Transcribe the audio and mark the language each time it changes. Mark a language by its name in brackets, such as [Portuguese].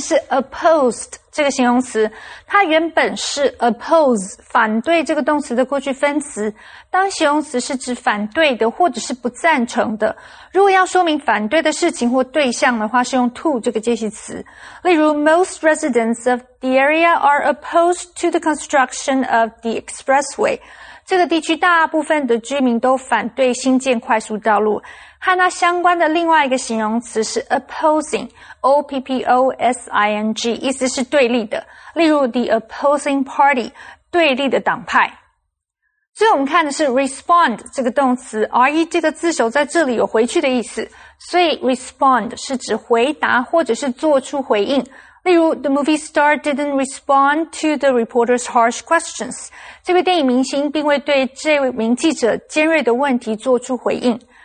[Chinese] Opposed 这个形容词，它原本是 oppose 反对这个动词的过去分词。当形容词是指反对的或者是不赞成的，如果要说明反对的事情或对象的话，是用 to 这个介系词。例如 [English] ，Most residents of the area are opposed to the construction of the expressway。 [Chinese] 这个地区大部分的居民都反对新建快速道路。和它相关的另外一个形容词是 opposing, O-P-P-O-S-I-N-G, 意思是对立的。例如 [English] the opposing party, [Chinese] 对立的党派。最后我们看的是 respond 这个动词 ,re 这个字首在这里有回去的意思。所以 respond 是指回答或者是做出回应。例如 [English] the movie star didn't respond to the reporter's harsh questions. [Chinese] 这位电影明星并未对这名记者尖锐的问题做出回应。